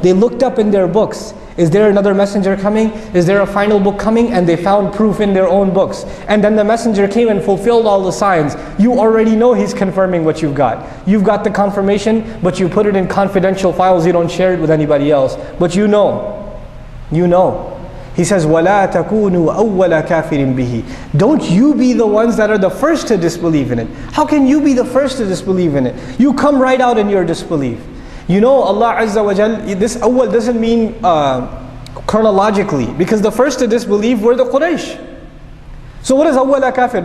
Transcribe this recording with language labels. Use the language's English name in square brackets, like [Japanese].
[English] They looked up in their books. Is there another messenger coming? Is there a final book coming? And they found proof in their own books. And then the messenger came and fulfilled all the signs. You already know he's confirming what you've got. You've got the confirmation, but you put it in confidential files. You don't share it with anybody else. But you know. You know. He says, [Arabic] وَلَا تَكُونُوا أَوَّلَ كَافِرٍ بِهِ. [English] Don't you be the ones that are the first to disbelieve in it. How can you be the first to disbelieve in it? You come right out in your disbelief. You know, Allah Azza wa Jal, this awwal doesn't mean chronologically, because the first to disbelieve were the Quraysh. So what is awwala kafir?